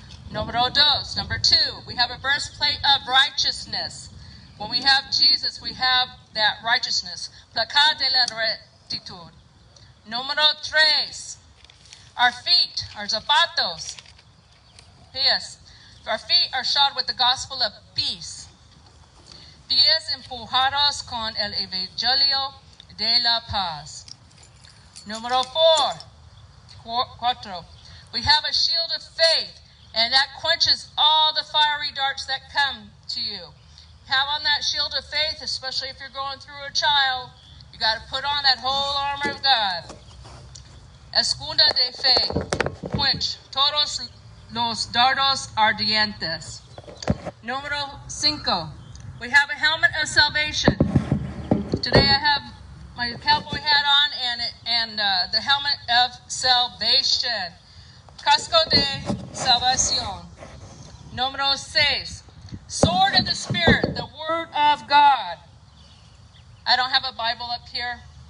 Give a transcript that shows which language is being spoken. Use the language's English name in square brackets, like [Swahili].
[Spanish] Número dos, [English] number two, we have a breastplate of righteousness. When we have Jesus, we have that righteousness. [Spanish] Placa de la rectitud. Número tres, [English] our feet, our [Spanish] zapatos. [English] Pies, our feet are shod with the gospel of peace. [Spanish] Pies empujados con el evangelio de la paz. [English] Número cuatro, we have a shield of faith, and that quenches all the fiery darts that come to you. Have on that shield of faith, especially if you're going through a trial. You got to put on that whole armor of God. [Spanish] Escudo de fe, quench todos los dardos ardientes. Número cinco, [English] we have a helmet of salvation. Today I have my cowboy hat on and the helmet of salvation. [Spanish] Casco de salvación. Número seis. [English] Sword of the Spirit, the Word of God. I don't have a Bible up here.